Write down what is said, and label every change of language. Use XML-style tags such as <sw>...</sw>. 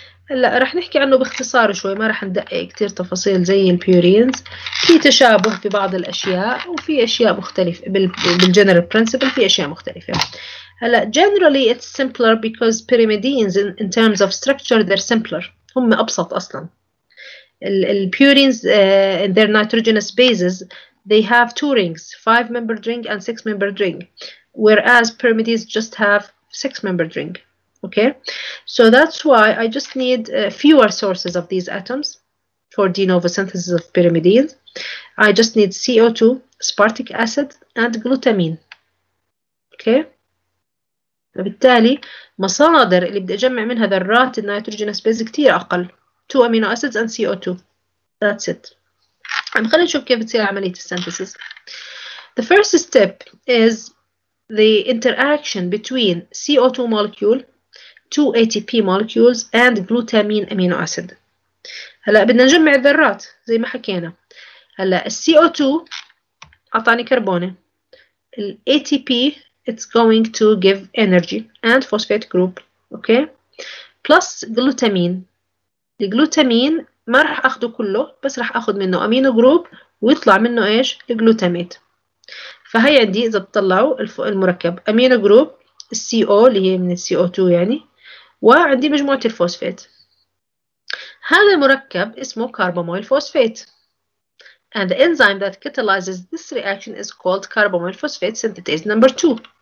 <ar>هلا رح نحكي عنه باختصار شوي، ما رح ندقق كثير تفاصيل زي البيورينز. في تشابه في بعض الاشياء وفي اشياء مختلفه بالجنرال برنسبل، في اشياء مختلفه.</ar> <en>هلا generally it's simpler because pyrimidines in terms of structure they're simpler،</en> <ar>هم ابسط اصلا.</ar> <en>البيورينز in their nitrogenous bases they have two rings, 5 membered ring and 6 membered ring, whereas pyrimidines just have 6 membered ring. Okay, so that's why I just need fewer sources of these atoms for de novo synthesis of pyrimidines. I just need CO2, aspartic acid, and glutamine.</en> <ar>Okay, فبالتالي مصادر اللي بدي أجمع منها ذرات النيتروجينس بيز كتير أقل.</ar> <en>Two amino acids and CO2. That's it.</en> <ar>عم خلينا نشوف كيف بتصير عملية السينثيسيس.</ar> <en>The first step is the interaction between CO2 molecule, two ATP molecules and glutamine amino acid.</en> <ar>هلا بدنا نجمع الذرات زي ما حكينا. هلا CO2 أعطاني كربونة.</ar> <en>ATP it's going to give energy and phosphate group. Okay. Plus glutamine.</en> <ar>الجلوتامين ما راح أخده كله، بس راح أخذ منه أمينو جروب ويطلع منه إيش؟ الجلوتاميت. فهي عندي إذا بتطلعوا المركب أمينو جروب CO اللي هي من CO2 يعني. وعندي مجموعة الفوسفات. هذا المركب اسمه carbamoyl phosphate.</ar> <en>And the enzyme that catalyzes this reaction is called carbamoyl phosphate synthetase number 2.</en>